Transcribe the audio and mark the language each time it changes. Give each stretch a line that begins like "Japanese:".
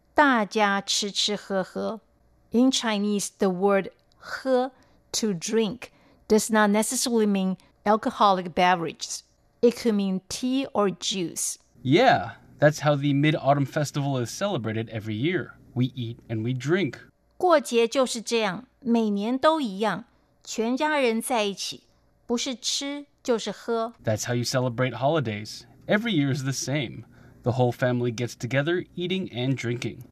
Chinese: 大家吃吃喝喝。
English: In Chinese, the word 喝 to drink does not necessarily mean alcoholic beverages. It could mean tea or juice. Yeah, that's how the Mid-Autumn Festival is celebrated every year. We eat and we drink.
Chinese: 过节就是这样,每年都一样。全家人在一起，不是吃就是喝。
English: That's how you celebrate holidays. Every year is the same. The whole family gets together, eating and drinking.